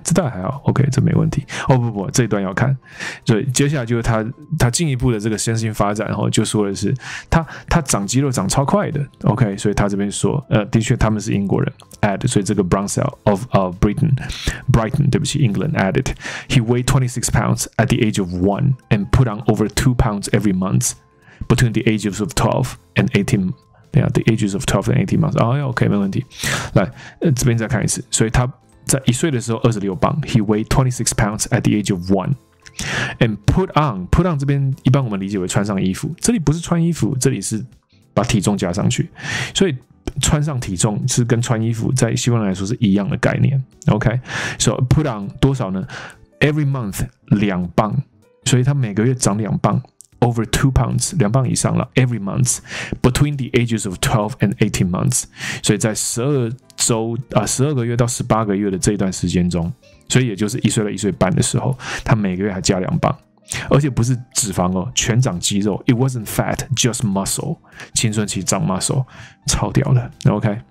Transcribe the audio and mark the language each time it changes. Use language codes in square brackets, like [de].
[zh] 这段还好 ，OK， 这没问题。哦不不，这一段要看。所以接下来就是他进一步的这个身心发展，然后就说的是他长肌肉长超快的 ，OK。所以他这边说，的确他们是英国人 ，add。所以这个 Brunsell of Brighton， 对不起 ，England added。 [en] He weighed 26 pounds at the age of one and put on over 2 pounds every month between the ages of 12 and 18。 Yeah, the ages of 12 and 18 months. Oh, yeah, okay, [zh] 没问题。来，这边再看一次。所以他在一岁的时候26磅 ， [en] he weighed 26 pounds at the age of one. [zh] And put on 这边一般我们理解为穿上衣服，这里不是穿衣服，这里是把体重加上去。所以穿上体重是跟穿衣服在西方来说是一样的概念。 Okay, so put on 多少呢 ？Every month 两磅，所以他每个月长两磅。 [en] Over 2 pounds, [zh] 2磅以上了 [en] every month, between the ages of 12 and 18 months. [zh] 所以在12个月到18个月的这一段时间中，所以也就是一岁到一岁半的时候，他每个月还加2磅，而且不是脂肪哦，全长肌肉。 [en] It wasn't fat, just muscle. [zh] 青春期长 muscle, 超屌的。 [en] OK.